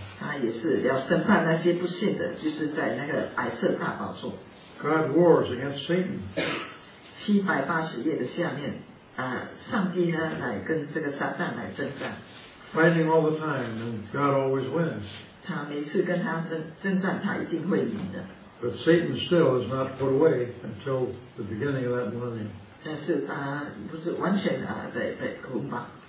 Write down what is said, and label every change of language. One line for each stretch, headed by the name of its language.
Chinese: 他也是要审判那些不信的，就是在那个白色大宝座。
English: God wars against Satan.
Chinese: 780页的下面，上帝呢来跟这个撒旦来征战。
English: Fighting all the time, and God always wins.
Chinese: 他每次跟他征战，他一定会赢的。
English: But Satan still is not put away until the beginning of that millennium.
Chinese: 但是他不是完全的被捆绑。